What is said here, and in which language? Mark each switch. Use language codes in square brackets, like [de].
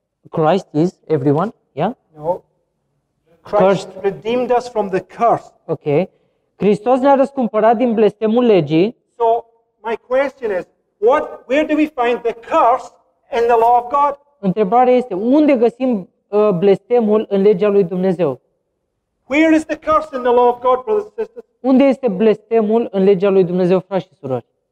[en] Christ is everyone, yeah? No. Christ redeemed us from the curse. Okay. [ro] Hristos ne-a răscumpărat din blestemul legii. [en] So, my question is, where do we find the curse in the law of God? [ro] Întrebarea este, unde găsim blestemul în legea lui Dumnezeu? [en] Where is the curse in the law of God, brothers and sisters? [ro] Unde este blestemul în legea lui Dumnezeu, frați și surori?